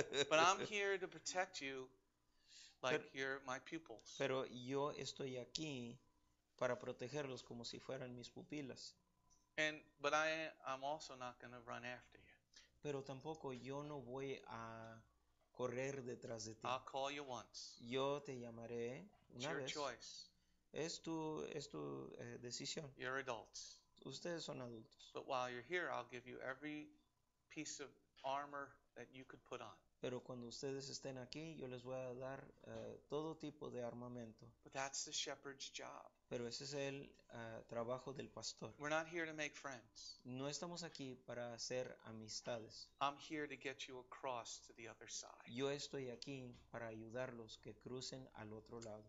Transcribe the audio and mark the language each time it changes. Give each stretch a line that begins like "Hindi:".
English: But I'm here to protect you like you're my pupils.
Spanish: Pero yo estoy aquí para protegerlos como si fueran mis pupilas.
English: And but I'm also not going to run after you.
Spanish: Pero tampoco yo no voy a correr detrás de ti.
English: I'll call you once.
Spanish: Yo te llamaré una
English: it's
Spanish: vez.
English: Your choice.
Spanish: Es tu decisión.
English: You're adults.
Spanish: Ustedes son adultos.
English: But while you're here, I'll give you every piece of armor that you could put on.
Spanish: Pero cuando ustedes estén aquí, yo les voy a dar todo tipo de armamento.
English: But that's the shepherd's job.
Spanish: Pero ese es el trabajo del pastor.
English: We're not here to make friends.
Spanish: No estamos aquí para hacer amistades.
English: I'm here to get you across to the other side.
Spanish: Yo estoy aquí para ayudarlos que crucen al otro lado.